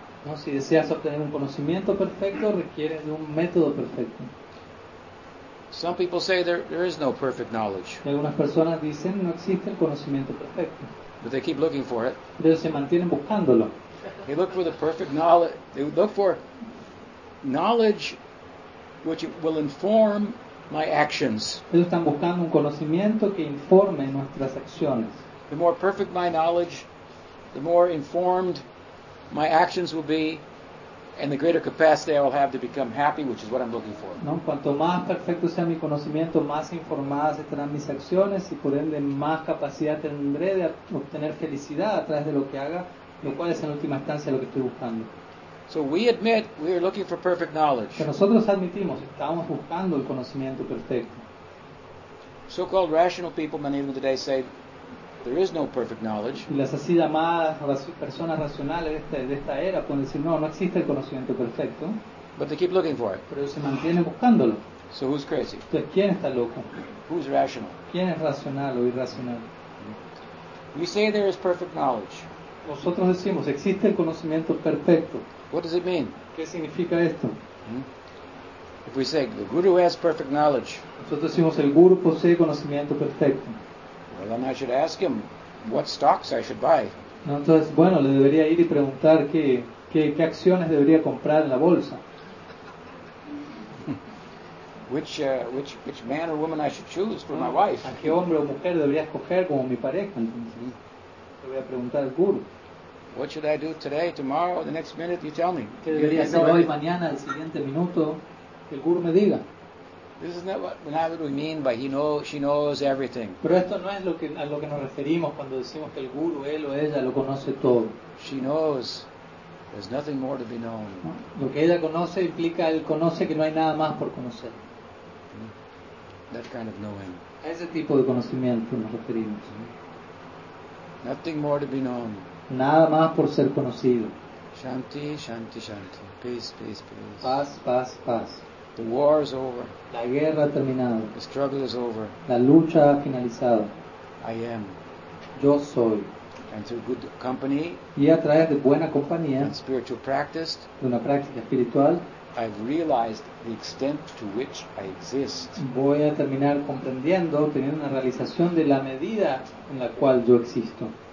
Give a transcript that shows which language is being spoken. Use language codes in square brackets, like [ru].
[es] No, si deseas obtener un conocimiento perfecto, requiere de un método perfecto. [en] Some people say there is no perfect knowledge. [es] Y algunas personas dicen no existe el conocimiento perfecto. [en] But they keep looking for it. [es] Pero se mantienen buscándolo. [en] They look for the perfect knowledge. They look for knowledge which will inform my actions. [es] Ellos están buscando un conocimiento que informe nuestras acciones. [en] The more perfect my knowledge, the more informed my actions will be, and the greater capacity I will have to become happy, which is what I'm looking for. [es] No, cuanto más perfecto sea mi conocimiento, más informadas estarán mis acciones, y por ende más capacidad tendré de obtener felicidad a través de lo que haga. Lo cual es en última instancia lo que estoy buscando. [en] So we admit we are looking for perfect knowledge. [es] Pero nosotros admitimos, estamos buscando el conocimiento perfecto. [en] So-called rational people many of them today say there is no perfect knowledge. [es] Y las así llamadas personas racionales de esta era pueden decir no existe el conocimiento perfecto. [en] But they keep looking for it. [es] Pero se mantienen buscándolo. [en] So who's crazy? [es] Entonces, ¿quién está loco? [en] Who's rational? [es] ¿Quién es racional o irracional? [en] We say there is perfect knowledge. [es] Nosotros decimos, existe el conocimiento perfecto. [en] What does it mean? [es] ¿Qué significa esto? [en] If we say the guru has perfect knowledge, [es] nosotros decimos el guru posee conocimiento perfecto. [en] Well, then I should ask him what stocks I should buy. [es] Entonces, bueno, le debería ir y preguntar qué acciones debería comprar en la bolsa. [en] Which man or woman I should choose for my wife? [es] ¿A qué hombre o mujer debería escoger como mi pareja? Entonces, le voy a preguntar al guru. [en] What should I do today, tomorrow, the next minute? You tell me. [es] ¿Qué debería hacer hoy, mañana, el siguiente minuto? Que el guru me diga. [en] This is not what we mean by she knows everything. [es] Pero esto no es a lo que nos referimos cuando decimos que el guru, él o ella, lo conoce todo. [en] She knows there's nothing more to be known. [es] Lo que ella conoce implica él conoce que no hay nada más por conocer. [en] That kind of knowing. [es] A ese tipo de conocimiento nos referimos. [en] Nothing more to be known. [es] Nada más por ser conocido. [sa] Shanti, shanti, shanti. [en] Peace, peace, peace. [es] Paz, paz, paz. [en] The war is over. [es] La guerra ha terminado. [en] The struggle is over. [es] La lucha ha finalizado. [en] I am. [es] Yo soy. [en] And through good company. [es] Y a través de buena compañía. [en] And spiritual practice. [es] De una práctica espiritual. [en] I've realized the extent to which I exist. [es] Voy a terminar comprendiendo, teniendo una realización de la medida en la cual yo existo.